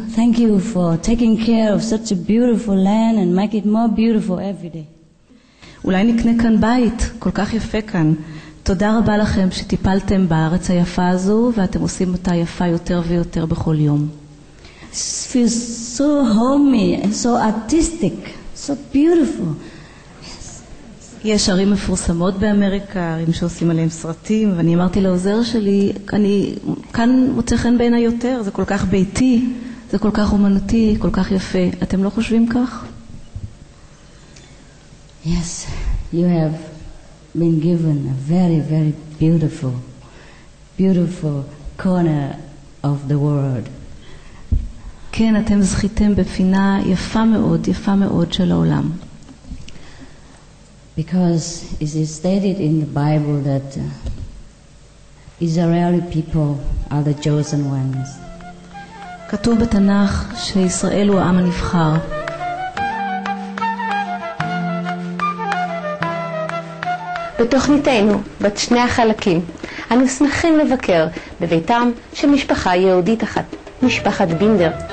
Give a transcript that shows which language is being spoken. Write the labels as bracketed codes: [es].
[en] Thank you for taking care of such a beautiful land and make it more beautiful every day. [he] אולי נקנה כאן בית, כל כך יפה כאן. תודה רבה לכם שטיפלתם בארץ היפה הזו ואתם עושים אותה יפה יותר ויותר בכל יום. [en] It feels so homey and so artistic, so beautiful. [he] יש ערים מפורסמות באמריקה, ערים שעושים עליהם סרטים, ואני אמרתי לעוזר שלי, אני כאן מוצא חן בעיני יותר, זה כל כך ביתי, זה כל כך אומנותי, כל כך יפה. אתם לא חושבים כך? [en] Yes, you have been given a very, very beautiful, beautiful corner of the world. [he] כן, אתם זכיתם בפינה יפה מאוד, יפה מאוד של העולם. [en] Because it is stated in the Bible that Israeli people are the chosen ones. [he] כתוב בתנך שישראל הוא העם הנבחר. בתוכניתנו, בת שני החלקים, אנו שמחים לבקר בביתם של משפחה יהודית אחת, משפחת בינדר.